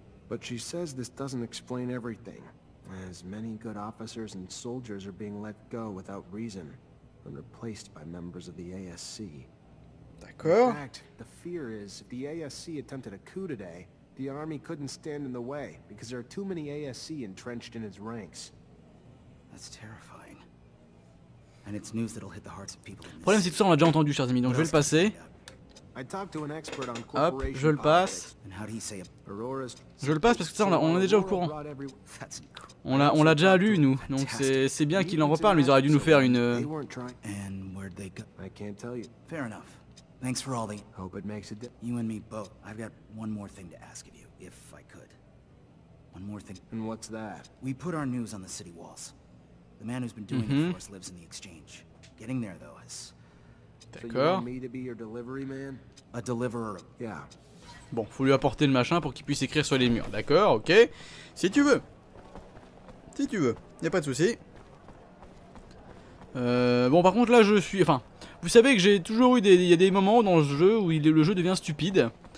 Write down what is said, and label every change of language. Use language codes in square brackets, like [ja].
[en] But she says this doesn't explain everything, as many good officers and soldiers are being let go without reason, and replaced by members of the ASC. [fr] D'accord. [en] In fact, the fear is if the ASC attempted a coup today, the army couldn't stand in the way because there are too many ASC entrenched in its ranks. That's terrifying. And it's news that'll hit the hearts of people. [fr] Le problème, c'est que ça, on l'a déjà entendu, chers amis, donc je vais le passer. [en] I talked to an expert on [fr] corporation. Je le passe. [en] And how do you say Aurora's? [fr] Je le passe parce que ça, on est déjà au courant. On l'a déjà lu, nous. Donc c'est bien qu'il en reparle, mais ils auraient dû nous faire une. [en] And where'd they go? I can't tell you. Fair enough. Thanks for all the. Hope it makes a difference. You and me both. I've got one more thing to ask of you, if I could. One more thing. And what's that? We put our news on the city walls. The man who's been doing it for us lives in the exchange. Getting there though is. [fr] D'accord. [en] So you want me to be your delivery man? A deliverer. Yeah. [fr] Bon, faut lui apporter le machin pour qu'il puisse écrire sur les murs. D'accord. Ok. Si tu veux. Si tu veux. Y a pas de souci. Bon, par contre, là, je suis. Enfin. Vous savez que j'ai toujours eu des... Il y a des moments dans le jeu où le jeu devient stupide.